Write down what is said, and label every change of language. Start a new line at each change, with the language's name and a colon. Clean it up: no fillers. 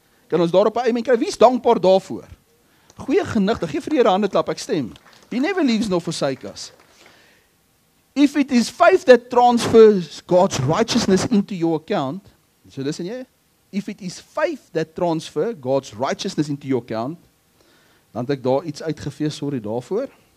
Afrikaans: Kan ons daarop 'n amen kry? Wie is dankbaar daarvoor? Goeie genigte. Geef vir die Here 'n hande klap. Ek stem.
English: He never leaves nor forsake us. If it is faith that transfers God's righteousness into your account, so listen here. If it is faith that transfer God's righteousness into your account,
Afrikaans: dan het ek daar iets uitgevee, sorry daarvoor.